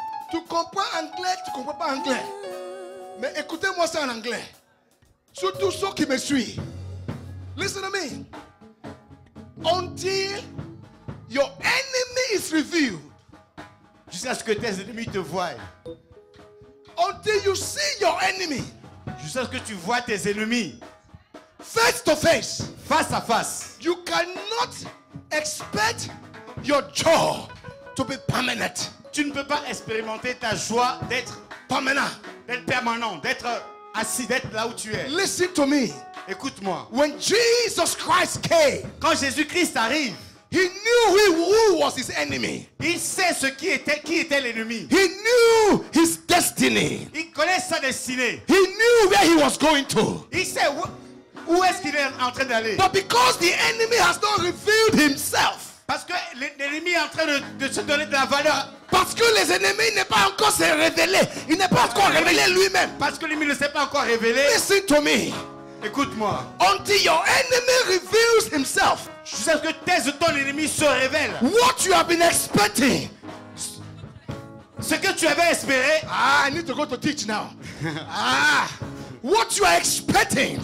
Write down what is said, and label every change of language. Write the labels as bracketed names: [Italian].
[French] Tu comprends anglais, tu comprends pas anglais. Mais écoutez-moi ça en anglais. Surtout ceux qui me suivent. [English] Listen to me. Until your enemy is revealed. [French] Jusqu'à ce que tes ennemis te voient. [English] until you see your enemy. [French] Jusqu'à ce que tu vois tes ennemis. [English] Face to face. [French] Face à face. [English] You cannot expect your joy to be permanent. [French] Tu ne peux pas expérimenter ta joie d'être permanent. D'être permanent, d'être assis, d'être là où tu es. [English] Listen to me. [French] Écoute-moi. [English] When Jesus Christ came, [French] quand Jésus-Christ arrive, [English] he knew who was his enemy. [French] Il sait ce qui était l'ennemi. [English] He knew his destiny. [French] Il connaît sa destinée. [English] He knew where he was going to. [French] Il sait où est-ce qu'il est en train d'aller. [English] But because the enemy has not revealed himself. [French] Parce que l'ennemi est en train de se donner de la valeur. Parce que les ennemis n'est pas encore se révélé. Il n'est pas encore révélé lui-même. Parce que l'ennemi ne s'est pas encore révélé. [English] Listen to me. [French] Écoute-moi. [English] Until your enemy reveals himself. [French] Jusqu'à ce que tes ton ennemi se révèle. [English] What you have been expecting. [French] Ce que tu avais espéré. [English] Ah, I need to go to teach now. Ah, what you are expecting.